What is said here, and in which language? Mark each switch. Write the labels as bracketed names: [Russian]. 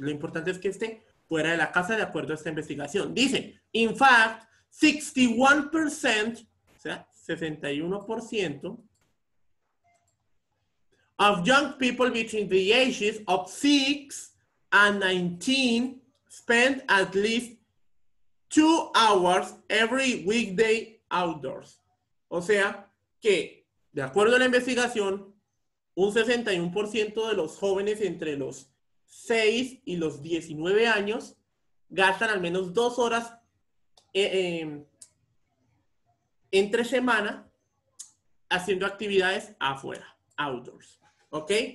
[Spanish] Lo importante es que esté fuera de la casa de acuerdo a esta investigación. [English] Dice, in fact, 61%, [Spanish] o sea, [English] 61% of young people between the ages of 6 and 19 spend at least 2 hours every weekday outdoors. [Spanish] O sea, que de acuerdo a la investigación, un 61% de los jóvenes entre los 6 y los 19 años gastan al menos 2 horas entre semana haciendo actividades afuera, outdoors. ¿Ok?